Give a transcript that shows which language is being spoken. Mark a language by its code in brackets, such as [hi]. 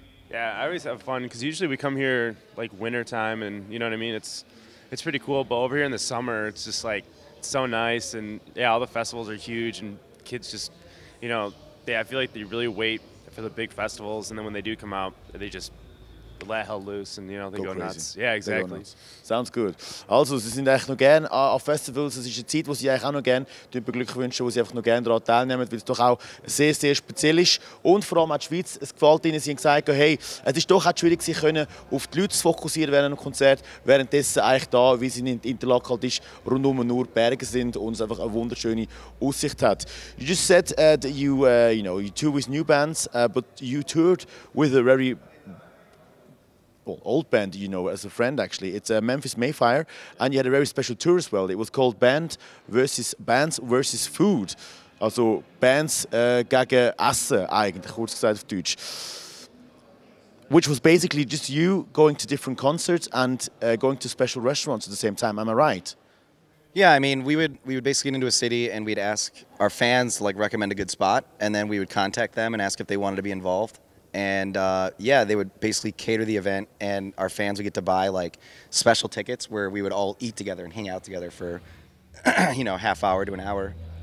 [en] Yeah, I always have fun because usually we come here like winter time, and you know what I mean. It's pretty cool, but over here in the summer, it's just like so nice, and yeah, all the festivals are huge, and kids just, you know, I feel like they really wait for the big festivals, and then when they do come out, they just let hell loose, and you know, they go nuts. Yeah, exactly. Sounds good. [de] Also, sie sind echt noch gern auf Festivals. Es ist eine Zeit, wo sie eigentlich auch noch gern die beglückwünschen, wo sie einfach noch gern daran teilnehmen, weil es doch auch sehr, sehr speziell ist. Und vor allem auch die Schweiz, es gefällt ihnen. Sie haben gesagt, hey, es ist doch auch schwierig, sich auf die Leute zu fokussieren während einem Konzert, währenddessen eigentlich da, wie es in Interlaken halt ist, rundum nur Berge sind und es einfach eine wunderschöne Aussicht hat. [en] You just said that you, you know, you tour with new bands, but you toured with a very old band, you know, as a friend, actually. It's Memphis Mayfire, and you had a very special tour as well. It was called Bands versus Food. [de] Also, Bands gegen Essen, eigentlich, kurz gesagt auf Deutsch. [en] Which was basically just you going to different concerts and going to special restaurants at the same time. Am I right? Yeah, I mean, we would basically get into a city and we'd ask our fans to, like, recommend a good spot, and then we would contact them and ask if they wanted to be involved. And they would basically cater the event, and our fans would get to buy like special tickets where we would all eat together and hang out together for, you know, half hour to an hour.